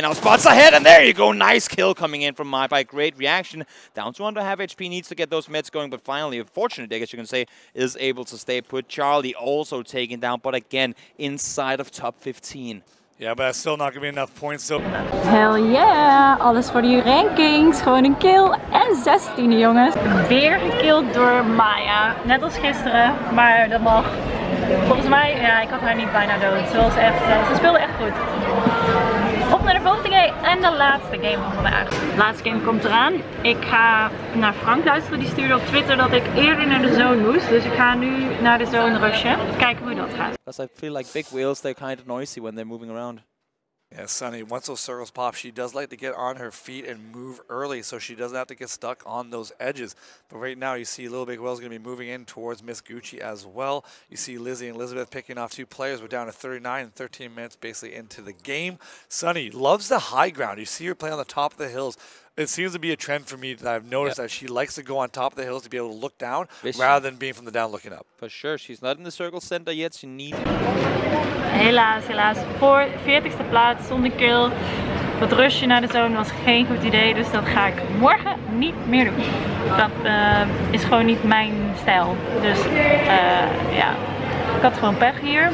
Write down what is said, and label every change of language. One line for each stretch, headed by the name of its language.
English: Now spots ahead, and there you go. Nice kill coming in from MyPy. Great reaction. Down to under half HP. Needs to get those meds going, but finally, a fortunate day, as you can say, is able to stay put. Charlie also taken down, but again, inside of top 15. Yeah, but that's still not going to be enough points. So. Hell yeah!
Dutch: Alles voor die rankings. Gewoon een kill en 16e jongens. Weer gekilled door Maya. Net als gisteren, maar dat mag. Volgens mij, ja, ik had haar niet bijna dood. Ze speelde echt goed. Op naar de volgende game en de laatste game van vandaag. De laatste game komt eraan. Ik ga naar Frank luisteren. Die stuurde op Twitter dat ik eerder naar de zone moest. Dus ik ga nu naar de zone rushen. Kijken hoe dat gaat.
English: Because I feel like big wheels, they're kind of noisy when they're moving around. Yeah, Sunny, once those circles pop, she does like to get on her feet and move early so she doesn't have to get stuck on those edges. But right now, you see Little Big Will's going to be moving in towards Miss Gucci as well. You see Lizzie and Elizabeth picking off two players. We're down to 39 and 13 minutes basically into the game. Sunny loves the high ground. You see her play on the top of the hills. It seems to be a trend for me that I've noticed that she likes to go on top of the hills to be able to look down rather than being from the down looking up. For sure. She's not in the circle center yet. She needs it.
Dutch: Helaas, helaas. Voor 40ste plaats zonder kill. Wat rushen naar de zone was geen goed idee. Dus dat ga ik morgen niet meer doen. Dat is gewoon niet mijn stijl. Dus ja, ik had gewoon pech hier.